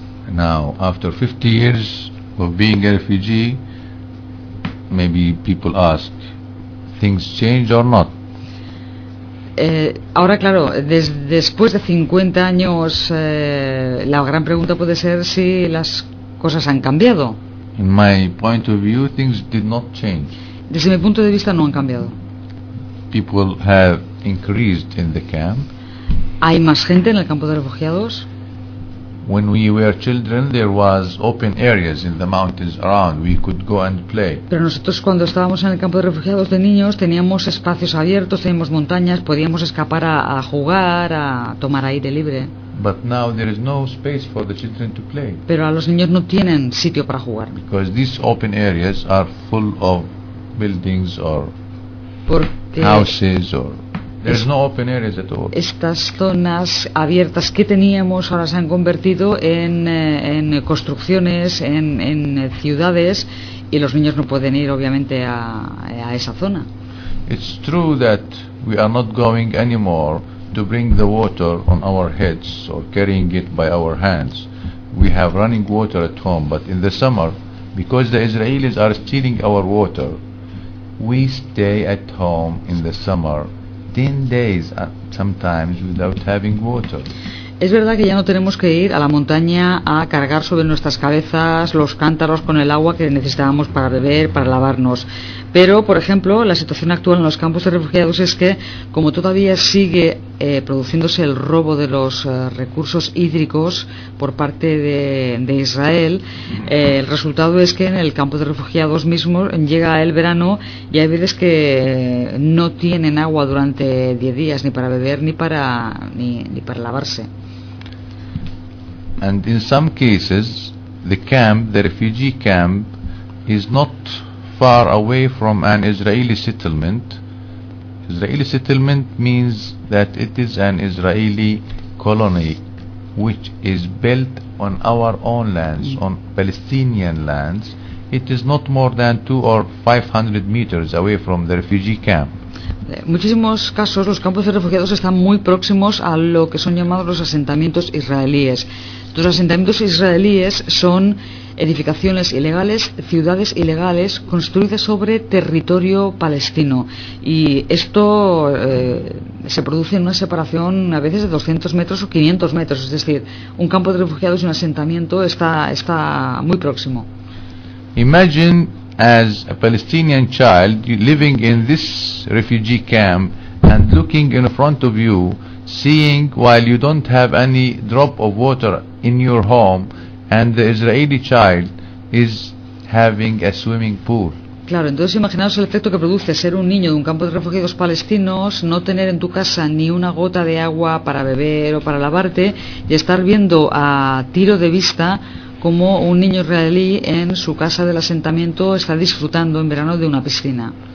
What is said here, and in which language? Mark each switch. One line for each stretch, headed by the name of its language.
English: Now, after 50 years of being a refugee, maybe people ask, things change or not?
Spanish: Ahora claro, después de 50 años la gran pregunta puede ser si las cosas han cambiado.
English: In my point of view, things did not change.
Spanish: Desde mi punto de vista no han cambiado.
English: People have increased in the camp.
Spanish: Hay más gente en el campo de refugiados.
English: When we were children, there was open areas in the mountains around. We could go and play.
Spanish: Pero nosotros cuando estábamos en el campo de refugiados de niños teníamos espacios abiertos, teníamos montañas, podíamos escapar a jugar, a tomar aire libre.
English: But now there is no space for the children to play.
Spanish: Pero a los niños no tienen sitio para jugar.
English: Because these open areas are full of buildings or
Spanish: Porque
English: houses or. There's no open areas at all.
Spanish: Estas zonas abiertas que teníamos ahora se han convertido en construcciones, en ciudades, y los niños no pueden ir obviamente a esa zona.
English: It's true that we are not going anymore to bring the water on our heads or carrying it by our hands. We have running water at home, but in the summer, because the Israelis are stealing our water, we stay at home in the summer 10 days sometimes without having water.
Spanish: Es verdad que ya no tenemos que ir a la montaña a cargar sobre nuestras cabezas los cántaros con el agua que necesitábamos para beber, para lavarnos. Pero, por ejemplo, la situación actual en los campos de refugiados es que, como todavía sigue produciéndose el robo de los recursos hídricos por parte de Israel, el resultado es que en el campo de refugiados mismo llega el verano y hay veces que no tienen agua durante 10 días ni para beber ni para lavarse.
English: And in some cases, the camp, the refugee camp, is not far away from an Israeli settlement. Israeli settlement means that it is an Israeli colony which is built on our own lands, on Palestinian lands. It is not more than 200 or 500 meters away from the refugee camp.
Spanish: En muchísimos casos los campos de refugiados están muy próximos a lo que son llamados los asentamientos israelíes. Los asentamientos israelíes son edificaciones ilegales, ciudades ilegales construidas sobre territorio palestino. Y esto se produce en una separación a veces de 200 metros o 500 metros. Es decir, un campo de refugiados y un asentamiento está muy próximo.
English: Imagine as a Palestinian child living in this refugee camp and looking in front of you, seeing while you don't have any drop of water in your home, and the Israeli child is having a swimming pool.
Spanish: Claro, entonces imaginaos el efecto que produce ser un niño de un campo de refugiados palestinos, no tener en tu casa ni una gota de agua para beber o para lavarte, y estar viendo a tiro de vista como un niño israelí en su casa del asentamiento está disfrutando en verano de una piscina.